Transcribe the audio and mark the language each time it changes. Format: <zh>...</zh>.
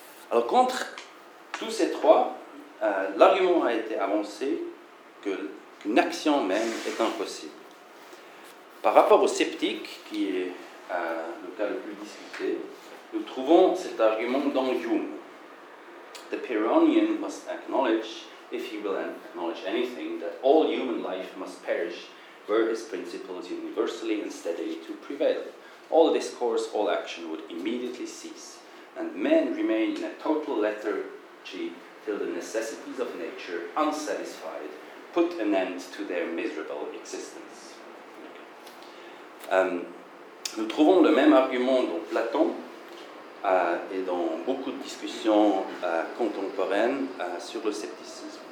<fr>Alors, contre tous ces trois, l'argument a été avancé qu'une action même est impossible. Par rapport au sceptique, qui est le cas le plus discuté, nous trouvons cet argument dans Hume.</fr> <en>The Pyrrhonian must acknowledge, if he will acknowledge anything, that all human life must perish, were his principles universally and steadily to prevail. All discourse, all action would immediately cease, and men remain in a total lethargy till the necessities of nature, unsatisfied, put an end to their miserable existence.</en> <fr>Nous trouvons le même argument dans Platon et dans beaucoup de discussions contemporaines sur le scepticisme.</fr>